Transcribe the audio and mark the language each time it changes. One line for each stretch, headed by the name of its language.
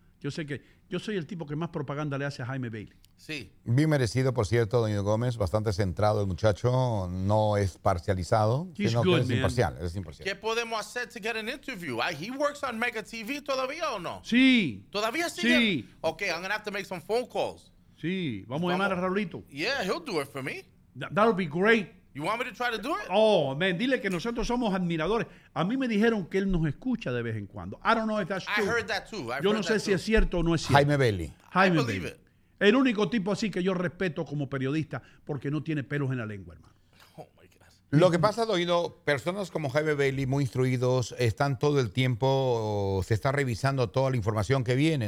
Spanish: Yo sé que yo soy el tipo que más propaganda le hace a Jaime Bailey. Sí. Bien merecido, por cierto, Doña Gómez. Bastante centrado el muchacho. No es parcializado. Sino good, que es imparcial, es imparcial. ¿Qué podemos hacer
English: to get an interview? ¿He works on Mega TV
Spanish: todavía o no? Sí. ¿Todavía sigue? Sí.
English: Ok, I'm going to have to make some phone calls.
Spanish: Sí, vamos a llamar a Raulito.
English: Yeah, he'll do it for me. That would be great. You want me to try to do it? Oh, man,
Spanish: dile que nosotros somos admiradores. A mí me dijeron que él nos escucha de vez en cuando.
English: I don't know if that's true. I heard that too.
Spanish: Yo no sé si es cierto o no es cierto. Jaime Bailey.
English: Jaime Bailey. I believe it.
Spanish: El único tipo así que yo respeto como periodista porque no tiene pelos en la lengua, hermano.
English: Oh, my goodness.
Spanish: Lo que pasa, Doido, personas como Jaime Bailey, muy instruidos, están todo el tiempo, se está revisando toda la información que viene.